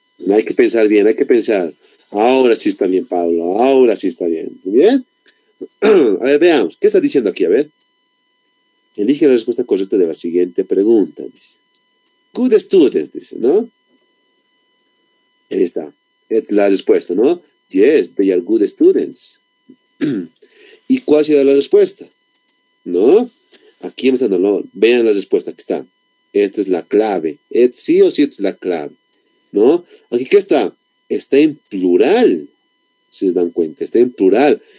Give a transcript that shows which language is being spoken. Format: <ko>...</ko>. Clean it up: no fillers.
<es>Hay que pensar bien, hay que pensar. Ahora sí está bien, Pablo, ahora sí está bien. ¿Bien? A ver, veamos, ¿qué está diciendo aquí? A ver. Elige la respuesta correcta de la siguiente pregunta, dice.</es> <en>Good students,</en> <es>dice, ¿no? Ahí está, es la respuesta, ¿no?</es> <en>Yes, they are good students.</en> <es>¿Y cuál será la respuesta? ¿No? Aquí vamos a no, vean la respuesta que está. Esta es la clave. ¿Es sí o sí es la clave? ¿No? ¿Aquí qué está? Está en plural. Si se dan cuenta, está en plural.</es>